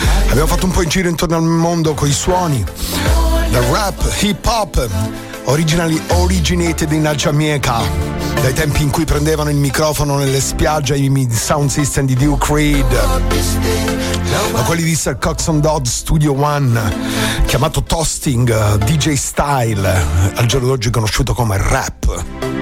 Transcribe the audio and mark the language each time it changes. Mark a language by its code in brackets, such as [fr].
[it] Abbiamo fatto un po' in giro intorno al mondo con i suoni. [en] The rap, hip hop, originally originated in Jamaica. [it] Dai tempi in cui prendevano il microfono nelle spiagge i sound system di Duke Reed. A quelli di Sir Coxon Dodd Studio One, chiamato Toasting, DJ Style, al giorno d'oggi conosciuto come rap.